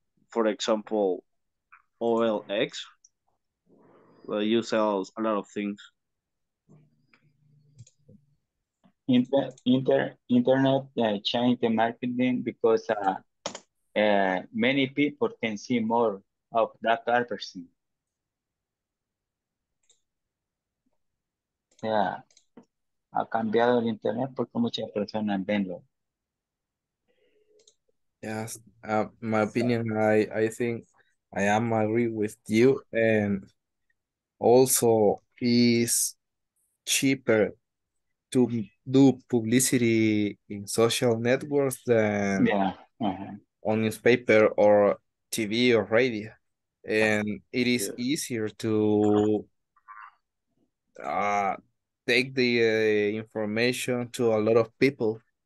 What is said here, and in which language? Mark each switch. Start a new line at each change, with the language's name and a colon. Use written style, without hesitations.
English: For example, OLX, where you sell a lot of things. Internet change the marketing because many people can see more of that person.
Spanish: Yeah, ha cambiado el internet porque muchas personas venlo.
English: Yes, my opinion, I think I am agree with you, and also it's cheaper to do publicity in social networks than on newspaper or TV or radio, and it is easier to take the information to a lot of people.